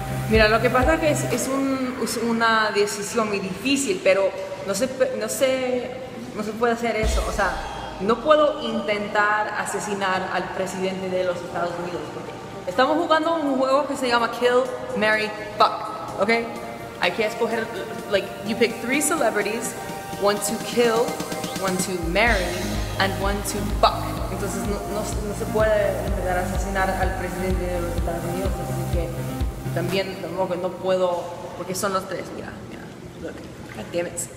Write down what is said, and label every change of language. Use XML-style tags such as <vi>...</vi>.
<es>Mira, lo que pasa es que es una decisión muy difícil, pero no se puede hacer eso. O sea, no puedo intentar asesinar al presidente de los Estados Unidos, porque estamos jugando un juego que se llama Kill, Marry, Fuck, ¿ok? Hay que escoger,</es> <en>like, you pick three celebrities, one to kill, one to marry, and one to fuck.</en> <es>Entonces no se puede intentar asesinar al presidente de los Estados Unidos, así que también no puedo, porque son los tres, mira,</es> <en>look, goddammit.</en>